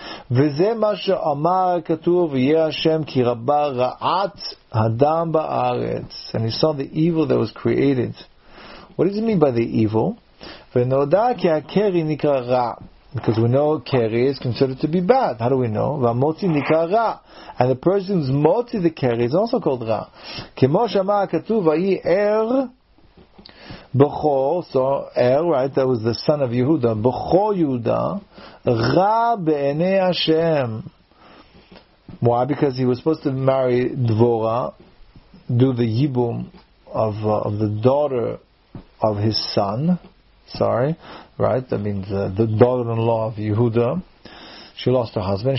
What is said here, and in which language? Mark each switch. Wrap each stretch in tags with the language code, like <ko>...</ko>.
<he>וזה מה שאמר כתוב יהיה השם כי רבה רעת אדם בארץ.</he> <en>And he saw the evil that was created. What does it mean by the evil?</en> <he>ונודע כי הקרי נקרא רע.</he> <en>Because we know קרי is considered to be bad. How do we know?</en> <he>והמוצי נקרא רע.</he> <en>And the person who's מוצי the קרי is also called רע.</en> <he>כמו שאמר כתוב והי ער בכור, so ער, right?</he> <en>That was the son of Yehuda.</en> <he>בכור יהודה Ra b'enei Hashem.</he> <en>Why? Because he was supposed to marry Dvora, do the yibum of the daughter of his son. Sorry, right? That means the daughter-in-law of Yehuda. She lost her husband.</en>